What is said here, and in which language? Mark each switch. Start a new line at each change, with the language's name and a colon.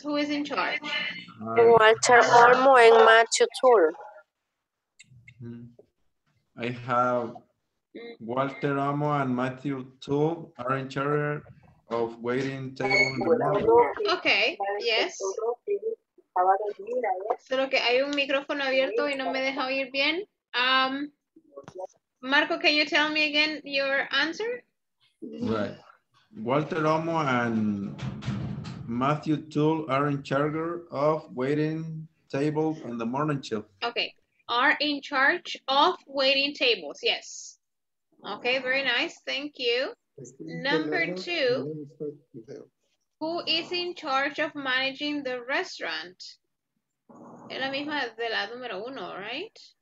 English: Who is in charge? Walter Olmo and Matthew Tour. I have Walter Olmo and Matthew Tour are in charge of waiting tables in the morning. Okay, yes.
Spanish: Solo que hay un micrófono abierto y no me deja oír bien.
English: Marco, can you tell me again your answer? Right. Walter Olmo and Matthew Tool are in charge of waiting tables in the morning shift. Okay, are in charge of waiting tables, yes. Okay, very nice, thank you. Number two, who is in charge of managing the restaurant?
Spanish: Es la misma de la número uno, right?